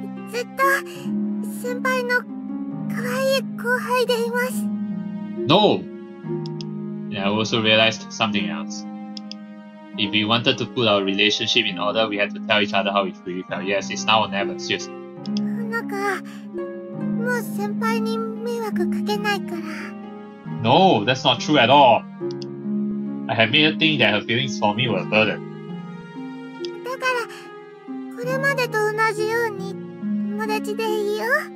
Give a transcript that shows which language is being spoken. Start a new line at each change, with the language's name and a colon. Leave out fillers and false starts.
Japanese: Zutto, senpai no kawaii kouhai de imasu.
English: No! And I also realized something else. If we wanted to put our relationship in order, we had to tell each other how we really felt. Yes, it's now or never, seriously. Honoka,
Japanese: もう先輩に迷惑かけないから。
English: No, that's not true at all. I have made her think that her feelings for me were a burden.
Japanese: だから、これまでと同じように友達でいいよ。